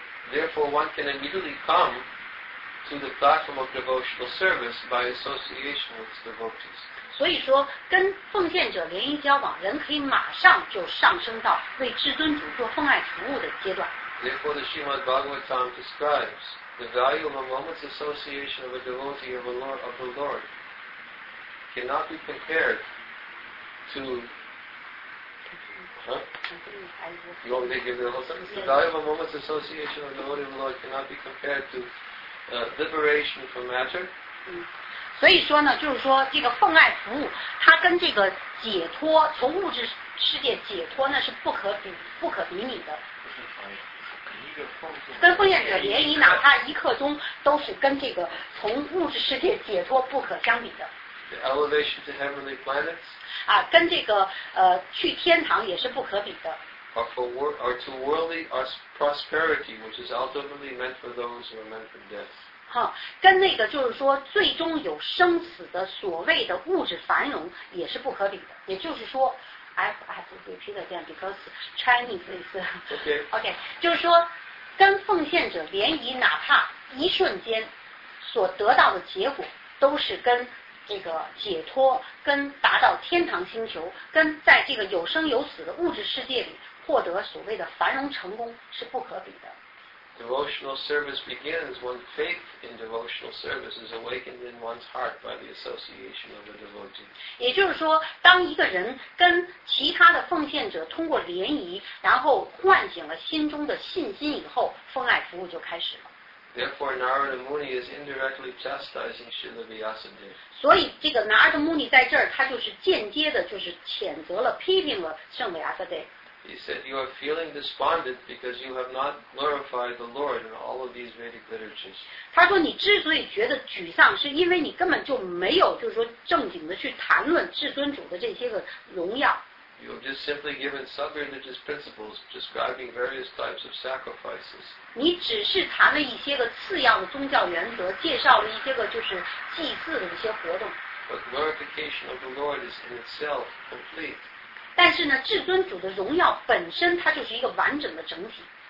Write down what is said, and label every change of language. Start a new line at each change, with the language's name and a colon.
English: Therefore, one can immediately come to the platform of devotional service by association with devotees.
Chinese: 所以说，跟奉献者联谊交往，人可以马上就上升到为至尊主做奉爱服务的阶段。
English: Therefore, the Srimad Bhagavatam describes the value of a moment's association of a devotee of the Lord cannot be compared to. Huh? You want me to give you the whole sentence? The value of a moment's association with the Holy of the Lord cannot be compared to liberation from matter.
Chinese: 所以说呢，就是说这个奉爱服务，它跟这个解脱，从物质世界解脱，那是不可比拟的。不是奉献，跟奉献者联谊，哪怕一刻钟，都是跟这个从物质世界解脱不可相比的。
English: The elevation to heavenly planets.
Chinese: 啊，跟这个去天堂也是不可比的。
English: Or to worldly prosperity, which is ultimately meant for those who are meant for death.
Chinese: 哈，跟那个就是说最终有生死的所谓的物质繁荣也是不可比的。也就是说
English: ，I have to repeat again because Chinese is okay.
Chinese: 就是说跟奉献者联谊，哪怕一瞬间所得到的结果都是跟这个解脱跟达到天堂星球跟在这个有生有死的物质世界里获得所谓的繁荣成功是不可比的。
English: Devotional service begins when faith in devotional service is awakened in one's heart by the association of the devotee.
Chinese: 也就是说，当一个人跟其他的奉献者通过联谊，然后唤醒了心中的信心以后，奉爱服务就开始了。
English: Therefore, Narada Muni is indirectly chastising Srila Vyasadeva.
Chinese: 所以这个 Narada Muni 在这儿，他就是间接的，就是谴责了、批评了圣维亚萨德。
English: He said, "You are feeling despondent because you have not glorified the Lord in all of these Vedic literatures."
Chinese: 他说，你之所以觉得沮丧，是因为你根本就没有，就是说正经的去谈论至尊主的这些个荣耀。
English: You have just simply given sub-religious principles describing various types of sacrifices.
Chinese: 你只是谈了一些个次要的宗教原则，介绍了一些个就是祭祀的一些活动。
English: But glorification of the Lord is in itself complete.
Chinese: 但是呢，至尊主的荣耀本身它就是一个完整的整体。